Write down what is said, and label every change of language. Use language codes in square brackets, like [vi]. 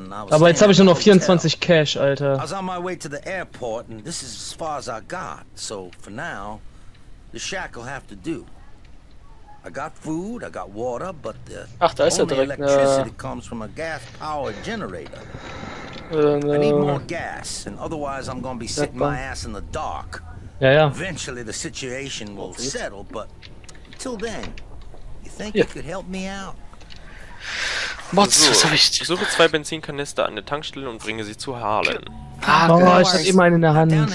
[de] Aber jetzt habe ich nur noch 24 Cash, Alter. [en] I was on my way to the airport and this is as far as I got. So for now, the shack will have to do. I got food, I got water, but the [de] ach, da ist ja direkt electricity [en] comes from a gas powered generator. I need more gas and otherwise I'm gonna be sitting my ass in the dark. [de] Ja, ja. [en] Eventually the situation will settle, but until then, you think you could help me out? [de] Mods, so, was hab ich? Ich suche zwei Benzinkanister an der Tankstelle und bringe sie zu Harlan. Ah, oh, ich hab immer einen in der Hand.